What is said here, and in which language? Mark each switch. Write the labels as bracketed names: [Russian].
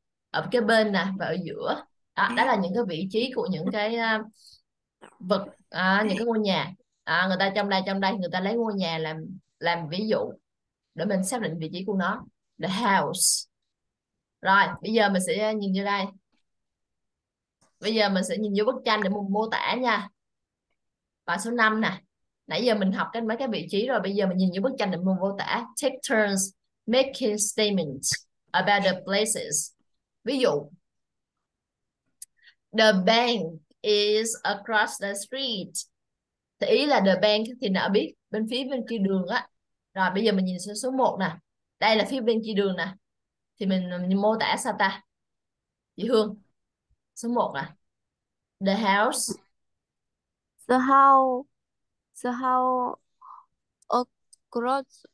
[Vietnamese] Ở cái bên nè và ở giữa đó, đó là những cái vị trí của những cái vật những cái ngôi nhà người ta trong đây người ta lấy ngôi nhà làm ví dụ để mình xác định vị trí của nó, the house. Rồi bây giờ mình sẽ nhìn vô đây, bây giờ mình sẽ nhìn vô bức tranh để mình mô tả nha. Bài số 5 nè, nãy giờ mình học cái mấy cái vị trí rồi, bây giờ mình nhìn vô bức tranh để mình mô tả. [English] Take turns making statements about the places. [Vietnamese] Ví dụ, [English] the bank is across the street. [Vietnamese] Thì ý là the bank thì nó biết bên phía bên kia đường á. Rồi bây giờ mình nhìn số 1 nè. Đây là phía bên kia đường nè. Thì mình mô tả sao ta? Chị Hương, số 1 nè. The house. [English] The house. The house across